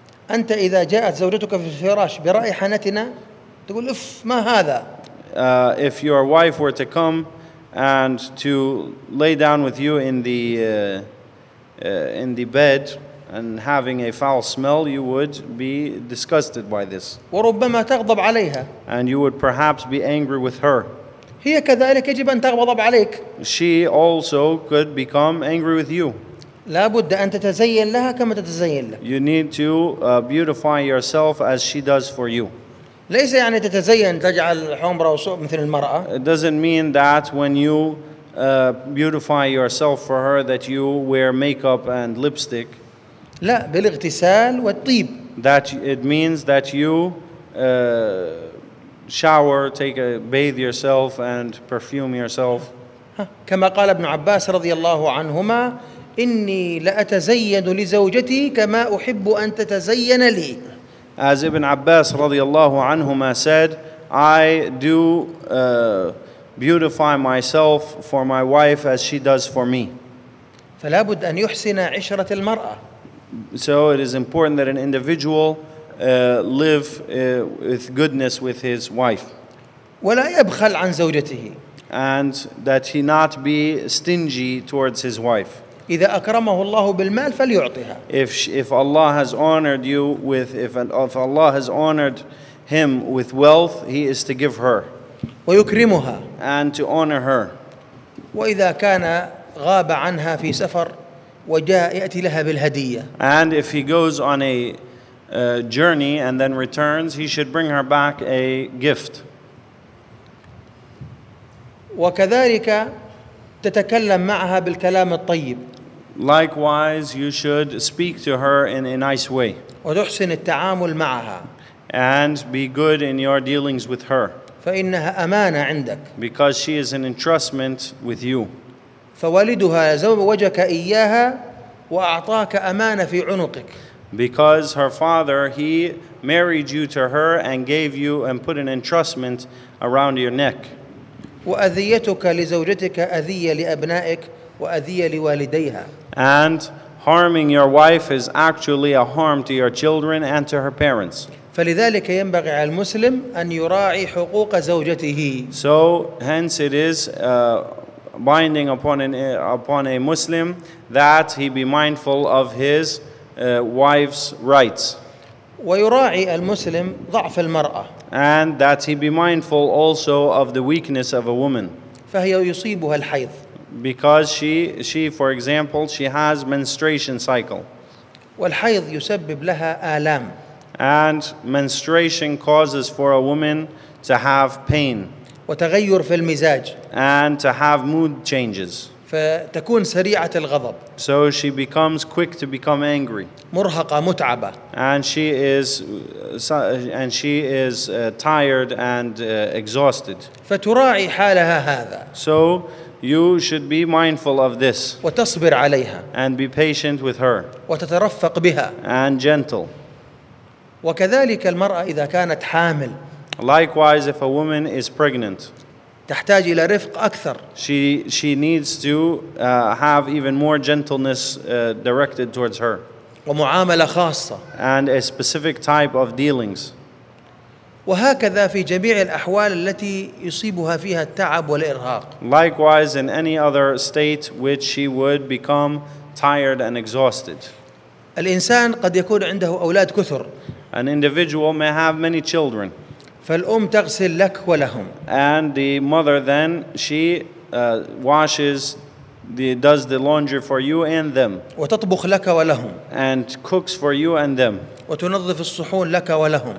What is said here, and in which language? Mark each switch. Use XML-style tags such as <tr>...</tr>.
<ar>أنت إذا جاءت زوجتك في الفراش برائحة نتنة تقول اف ما هذا؟</ar> <en>If your wife were to come and to lay down with you in the bed and having a foul smell, you would be disgusted by this.</en> <ar>وربما تغضب عليها.</ar> <en>And you would perhaps be angry with her.</en> <ar>هي كذلك يجب أن تغضب عليك.</ar> <en>She also could become angry with you.</en> <ar>لا بد أن تتزين لها كما تتزين لك.</ar> <en>You need to beautify yourself as she does for you.</en> <ar>ليس يعني تتزين تجعل حمرة وصوب مثل المرأة.</ar> <en>It doesn't mean that when you beautify yourself for her that you wear makeup and lipstick.</en> <ar>لا بالاغتسال والطيب.</ar> <en>That it means that you shower, take a bathe yourself and perfume yourself.</en> <ar>كما قال ابن عباس رضي الله عنهما إني لأتزين لزوجتي كما أحب أن تتزين لي.</ar> <en>As Ibn Abbas</en> <ar>رضي الله عنهما</ar> <en>said, I do beautify myself for my wife as she does for me.</en> <ar>فلا بد أن يحسن عشرة المرأة.</ar> <en>So it is important that an individual live with goodness with his wife.</en> <ar>ولا يبخل عن زوجته.</ar> <en>And that he not be stingy towards his wife.</en> <ar>إذا أكرمه الله بالمال فليعطيها.</ar> <en>If Allah has honored you with if Allah has honored him with wealth, he is to give her.</en> <ar>ويكرمها.</ar> <en>And to honor her.</en> <ar>وإذا كان غاب عنها في سفر وجاء يأتي لها بالهدية.</ar> <en>And if he goes on a journey and then returns, he should bring her back a gift.</en> <ar>وكذلك تتكلم معها بالكلام الطيب.</ar> <en>Likewise, you should speak to her in a nice way.</en> <ar>وتحسن التعامل معها.</ar> <en>And be good in your dealings with her.</en> <ar>فإنها أمانة عندك.</ar> <en>Because she is an entrustment with you.</en> <ar>فوالدها زوجك إياها وأعطاك أمانة في عنقك.</ar> <en>Because her father, he married you to her and gave you and put an entrustment around your neck.</en> <ar>وأذيتك لزوجتك أذية لأبنائك وأذية لوالديها.</ar> <en>And harming your wife is actually a harm to your children and to her parents.</en> <ar>فلذلك ينبغي على المسلم أن يراعي حقوق زوجته.</ar> <en>So hence it is binding upon a Muslim that he be mindful of his wife's rights.</en> <ar>ويراعي المسلم ضعف المرأة.</ar> <en>And that he be mindful also of the weakness of a woman.</en> <ar>فهي يصيبها الحيض.</ar> <en>Because she, for example, she has menstruation cycle.</en> <ar>والحيض يسبب لها آلام.</ar> <en>And menstruation causes for a woman to have pain.</en> <ar>وتغير في المزاج.</ar> <en>And to have mood changes.</en> <ar>فتكون سريعة الغضب.</ar> <en>So she becomes quick to become angry.</en> <ar>مرهقة متعبة.</ar> <en>And she is tired and exhausted.</en> <ar>فتراعي حالها هذا.</ar> <en>So you should be mindful of this.</en> <ar>وتصبر عليها.</ar> <en>And be patient with her.</en> <ar>وتترفق بها.</ar> <en>And gentle.</en> <ar>وكذلك المرأة إذا كانت حامل.</ar> <en>Likewise, if a woman is pregnant.</en> <ar>تحتاج إلى رفق أكثر.</ar> <en>She needs to have even more gentleness directed towards her.</en> <ar>ومعاملة خاصة.</ar> <en>And a specific type of dealings.</en> <ar>وهكذا في جميع الأحوال التي يصيبها فيها التعب والإرهاق.</ar> <en>Likewise, in any other state which she would become tired and exhausted.</en> <ar>الإنسان قد يكون عنده أولاد كثر.</ar> <en>An individual may have many children.</en> <ar>فالأم تغسل لك ولهم.</ar> <en>And the mother then, she washes, does the laundry for you and them.</en> <ar>وتطبخ لك ولهم.</ar> <en>And cooks for you and them.</en> <ar>وتنظف الصحون لك ولهم.</ar>